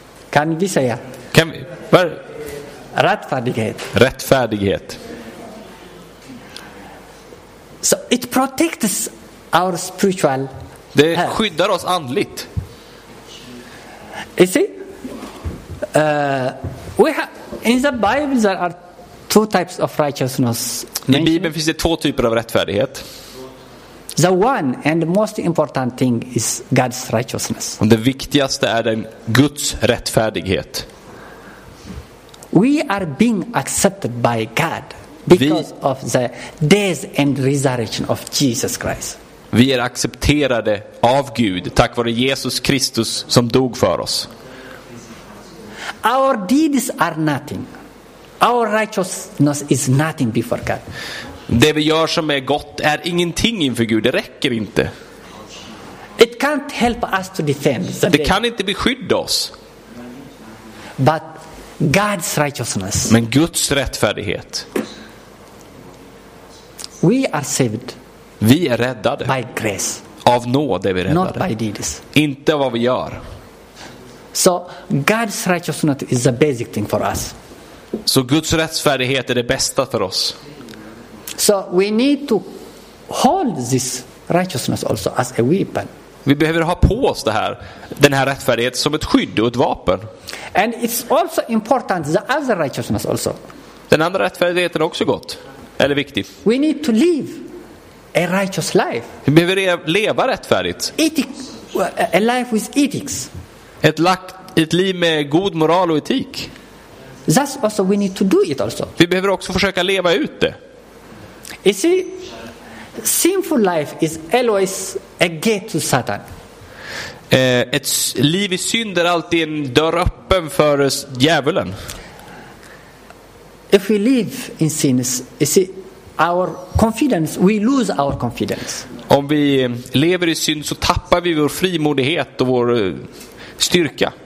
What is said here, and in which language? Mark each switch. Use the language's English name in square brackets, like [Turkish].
[Swedish] Kan vi säga? Kan vi? Var? Rättfärdighet. Rättfärdighet. [English] So it protects our spiritual. [Swedish] Det skyddar oss andligt. [English] You see? In the Bible there are two types of righteousness. [Swedish] I Bibeln finns det två typer av rättfärdighet. [English] The one and the most important thing is God's righteousness. [Swedish] Och det viktigaste är den Guds rättfärdighet. [English] We are being accepted by God because of the death and resurrection of Jesus Christ. [Swedish] Vi är accepterade av Gud tack vare Jesus Kristus som dog för oss. [English] Our deeds are nothing. Our righteousness is nothing before God. [Swedish] Det vi gör som är gott är ingenting inför Gud. Det räcker inte. [English] It can't help us to defend. [Swedish] Det kan inte beskydda oss. [English] But God's righteousness. [Swedish] Men Guds rättfärdighet. [English] We are saved. [Swedish] Vi är räddade. [English] By grace. [Swedish] Av nåd är vi räddade. [English] Not by deeds. [Swedish] Inte vad vi gör. [English] So God's righteousness is the basic thing for us. [Swedish] Så Guds rättfärdighet är det bästa för oss. [English] So we need to hold this righteousness also as a weapon. [Swedish] Vi behöver ha på oss det här, den här rättfärdigheten som ett skydd och ett vapen. [English] And it's also important the other righteousness also. [Swedish] Den andra rättfärdigheten är också gott. eller viktig. [English] We need to live a righteous life. [Swedish] Vi behöver leva rättfärdigt. [English] A life with ethics. [Swedish] Ett liv med god moral och etik. [English] That's also we need to do it also. [Swedish] Vi behöver också försöka leva ut det. [English] You see, sinful life is always a gate to Satan. [Swedish] Ett liv i synd är alltid en dörr öppen för djävulen. [English] If we live in sin, you see, our confidence, we lose our confidence. [Swedish] Om vi lever i synd så tappar vi vår frimodighet och vår styrka.